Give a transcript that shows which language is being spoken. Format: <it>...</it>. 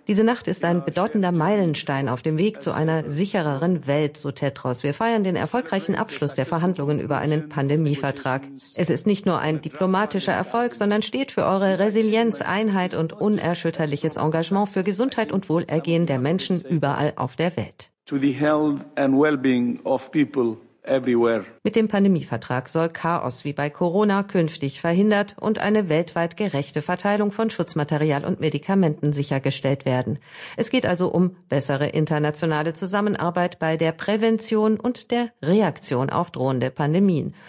<de>Diese Nacht ist ein bedeutender Meilenstein auf dem Weg zu einer sichereren Welt, so Tedros. Wir feiern den erfolgreichen Abschluss der Verhandlungen über einen Pandemievertrag. Es ist nicht nur ein diplomatischer Erfolg, sondern steht für eure Resilienz, Einheit und unerschütterliches Engagement für Gesundheit und Wohlergehen der Menschen überall auf der Welt.</de> <en>To the health and well-being of people.</en> <de>Mit dem Pandemievertrag soll Chaos wie bei Corona künftig verhindert und eine weltweit gerechte Verteilung von Schutzmaterial und Medikamenten sichergestellt werden. Es geht also um bessere internationale Zusammenarbeit bei der Prävention und der Reaktion auf drohende Pandemien.</de>